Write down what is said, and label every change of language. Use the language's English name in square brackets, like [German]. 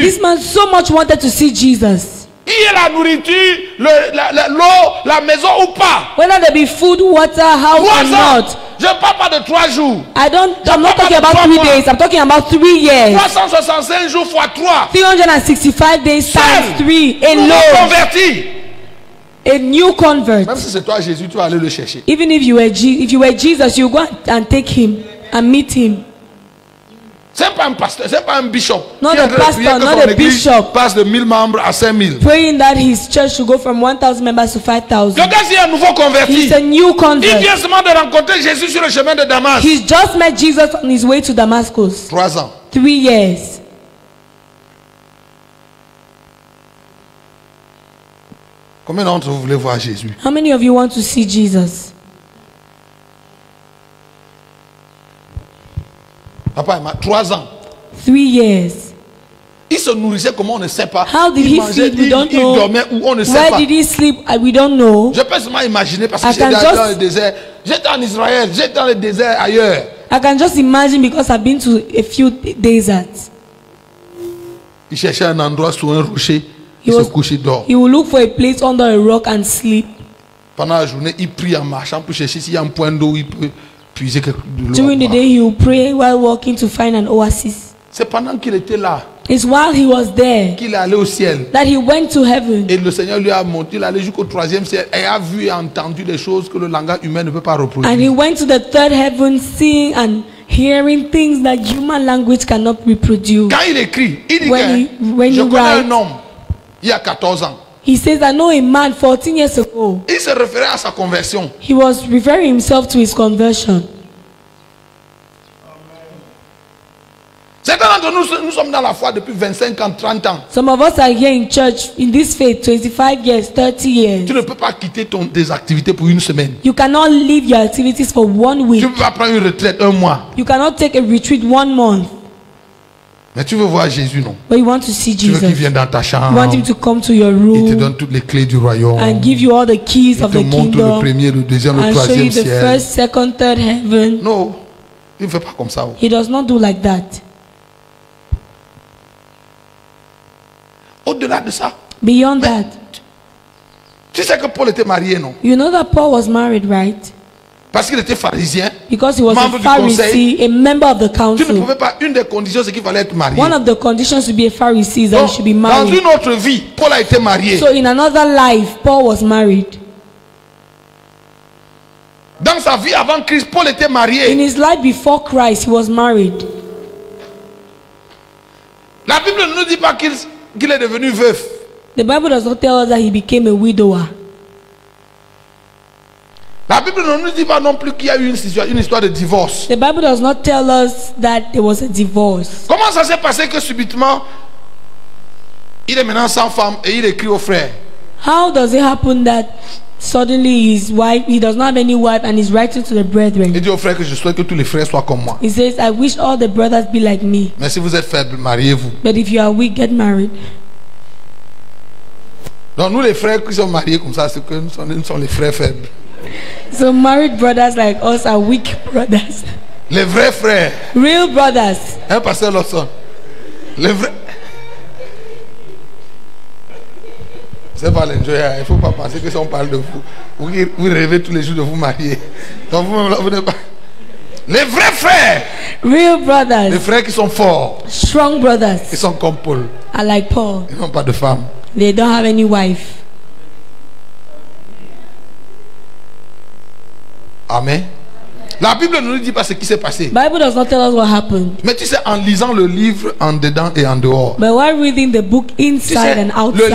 [English] This man so much wanted to see Jesus. [French] Il y a la nourriture, l'eau, la maison ou pas? [English] Whether there be food, water, house or not? [French] Je ne parle pas de 3 jours. [English] I'm not talking about three days. I'm talking about 3 years. [French] 365 jours fois 3. [English] 365 days times 3 alone. [French] Converti. [English] A new convert. [French] Même si c'est toi Jésus, tu vas aller le chercher. [English] Even if you were Jesus, you go and take him and meet him. [French] C'est pas un pasteur, c'est pas un bishop. [English] Not a pastor, not a bishop. [French] Passe de 1000 membres à 5000. [English] Praying that his church should go from 1000 members to 5000. [French] Le gars, c'est un nouveau converti. [English] He's a new convert. [French] Il vient seulement de rencontrer Jésus sur le chemin de Damas. [English] He's just met Jesus on his way to Damascus. [French] 3 ans. [English] 3 years. [French] Combien d'entre vous voulez voir Jésus? [English] How many of you want to see Jesus? [French] Papa, 3 ans. [English] 3 years. [French] Il se nourrissait comment on ne sait pas. [English] How did [French] il [English] he [French] mangeait, [English] sleep? We don't [French] il [English] know. [French] Il dormait où on ne [English] Where [French] sait pas. [English] Where did he sleep? We don't know. [French] Je peux seulement imaginer parce que j'étais dans le désert. J'étais en Israël. J'étais dans le désert ailleurs. [English] I can just imagine because I've been to a few deserts. [French] Il cherchait un endroit sous un rocher. Il se couchait dort. [English] He will look for a place under a rock and sleep. [French] Pendant la journée, il prie en marchant pour chercher s'il y a un point d'eau où il peut. [English] During the day, he will pray while walking to find an oasis. [French] C'est pendant qu'il était là. [English] It's while he was there. [French] Qu'il est allé au ciel. [English] That he went to heaven. [French] Et le Seigneur lui a monté, il est allé jusqu'au troisième ciel et a vu et entendu des choses que le langage humain ne peut pas reproduire. [English] And he went to the third heaven, seeing and hearing things that human language cannot reproduce. [French] Quand il écrit, il dit que je connais un homme il y a 14 ans. [English] He says, I know a man 14 years ago. [French] Il se référait à sa conversion. [English] He was referring himself to his conversion. [French] Certains d'entre nous, nous sommes dans la foi depuis 25 ans, 30 ans. [English] Some of us are here in church, in this faith, 25 years, 30 years. [French] Tu ne peux pas quitter tes activités pour une semaine. [English] You cannot leave your activities for 1 week. [French] Tu ne peux pas prendre une retraite un mois. [English] You cannot take a retreat 1 month. [French] Mais tu veux voir Jésus, non? [English] But you want to see Jesus. [French] Tu veux qu'il vienne dans ta chambre. [English] You want him to come to your room. [French] Il te donne toutes les clés du royaume. [English] And give you all the keys of the kingdom. [French] Il te montre le premier, le deuxième, le troisième ciel. [English] And show you the first, second, third heaven. No, [French] il ne fait pas comme ça. [English] He does not do like that. [French] Au-delà de ça. [English] Beyond that. [French] Tu sais que Paul était marié, non? [English] You know that Paul was married, right? [French] Parce qu'il était pharisien. [English] Because he was a Pharisee, a member of the council. [French] Tu ne pouvais pas, une des conditions c'est qu'il fallait être marié. [English] One of the conditions to be a Pharisee is that he should be married. [French] Dans une autre vie, Paul a été marié. [English] So in another life, Paul was married. [French] Dans sa vie avant Christ, Paul était marié. [English] In his life before Christ, he was married. [French] La Bible ne nous dit pas qu'il est devenu veuf. [English] The Bible does not tell us that he became a widower. [French] La Bible ne nous dit pas non plus qu'il y a eu une histoire de divorce. [English] The Bible does not tell us that there was a divorce. [French] Comment ça s'est passé que subitement il est maintenant sans femme et il écrit au frère? [English] How does it happen that suddenly his wife, he does not have any wife and he's writing to the brethren? [French] Il dit au frère que je souhaite que tous les frères soient comme moi. [English] He says, I wish all the brothers be like me. [French] Mais si vous êtes faible, mariez-vous. [English] But if you are weak, get married. [French] Donc nous les frères qui sommes mariés comme ça, c'est que nous sommes les frères faibles. [English] So married brothers like us are weak brothers. [French] Les vrais frères. [English] Real brothers. [French] Hein, Pasteur Lawson. Le vrai. C'est pas l'enjoy. Hein. Il faut pas penser que si on parle de vous, vous rêvez tous les jours de vous marier. Donc vous-même là, vous n'êtes pas. Les vrais frères. [English] Real brothers. [French] Les frères qui sont forts. [English] Strong brothers. [French] Ils sont comme Paul. [English] I like Paul. [French] Ils n'ont pas de femme. [English] They don't have any wife. Amen. [French] La Bible ne nous dit pas ce qui s'est passé. [English] Bible does not tell us what happened. [French] Mais tu sais, en lisant le livre en dedans et en dehors. [English] But while reading the book inside, [French] tu sais, [English] and outside.